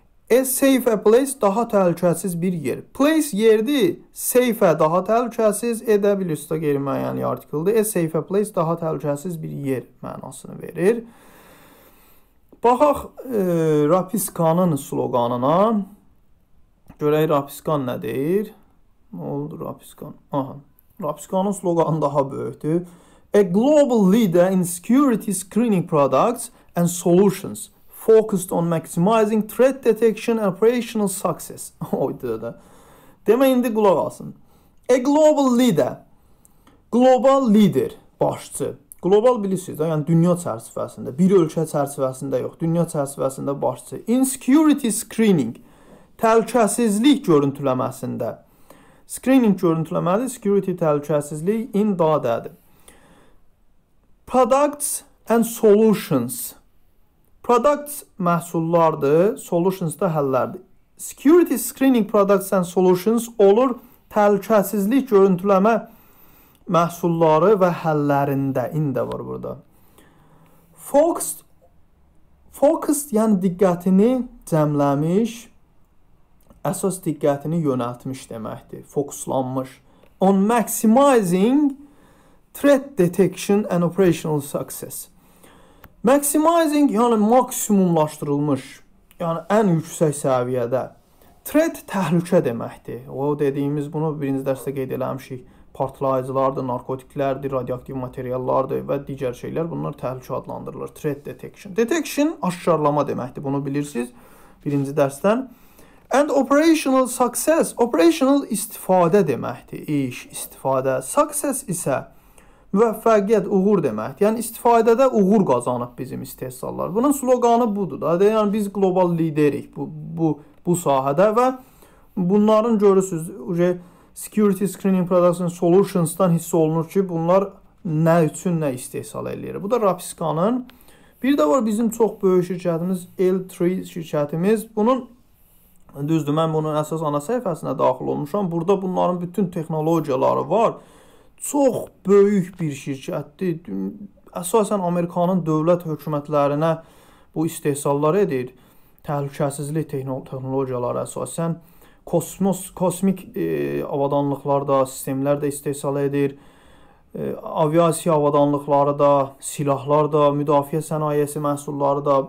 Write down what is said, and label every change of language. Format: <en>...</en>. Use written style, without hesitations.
<en>A safer place,</en> <az>daha təhlükəsiz bir yer. Place yerdir, safer, daha təhlükəsiz edə bilir. Üstə qeyri-müəyyən artikldir.</az> <en>A safer place,</en> <az>daha təhlükəsiz bir yer mənasını verir. Baxaq Rapiskanın sloganına. Görək, Rapiskan nə deyir? Nə oldu Rapiskan? Aha, Rapiskanın sloganı daha böyükdür.</az> <en>A global leader in security screening products and solutions focused on maximizing threat detection and operational success.</en> <az>Demə indi qulaq alsın.</az> <en>A global leader.</en> <az>Global leader, başçı. Global bilirsiniz, yəni dünya çərçivəsində, bir ölkə çərçivəsində yox, dünya çərçivəsində başçı.</az> <en>In security screening,</en> <az>təhlükəsizlik görüntüləməsində. Screening görüntüləməsi, security təhlükəsizlik in dadədir.</az> <en>Products and solutions.</en> <az>Products məhsullardır, solutions da həllərdir.</az> <en>Security screening products and solutions</en> <az>olur təhlükəsizlik görüntüləmə məhsulları və həllərində. İndi də var burada. Focused, yəni diqqətini cəmləmiş, əsas diqqətini yönəltmiş deməkdir, fokuslanmış.</az> <en>On maximizing threat detection and operational success.</en> <az>Maximizing, yəni maksimumlaşdırılmış, yəni ən yüksək səviyyədə. Threat təhlükə deməkdir. O dediyimiz, bunu birinci dərsdə qeyd eləmişik. Partlayıcılardır, narkotiklərdir, radioaktiv materiallardır və digər şeylər. Bunlar təhlükə adlandırılır.</az> <en>Threat detection.</en> <az>Detection aşkarlama deməkdir. Bunu bilirsiniz birinci dərsdən.</az> <en>And operational success.</en> <az>Operational istifadə deməkdir. İş, istifadə. Success isə müvəffəqiyyət, uğur deməkdir. Yəni, istifadədə uğur qazanıb bizim istehsallar. Bunun sloganı budur. Yəni, biz global liderik bu sahədə və bunların görürsünüz,</az> <en>security screening production solutions-</en> <az>dan hiss olunur ki, bunlar nə üçün nə istehsal edir. Bu da Rapiskanın. Bir də var bizim çox böyük şirkətimiz, L3 şirkətimiz. Bunun, düzdür, mən bunun əsas ana səhifəsinə daxil olmuşam. Burada bunların bütün texnologiyaları var. Çox böyük bir şirkətdir. Əsasən, Amerikanın dövlət hökumətlərinə bu istehsalları edir. Təhlükəsizlik texnologiyaları əsasən. Kosmik avadanlıqlarda, sistemlər də istehsal edir. Aviasiya avadanlıqları da, silahlar da, müdafiə sənayesi məhsulları da.</az>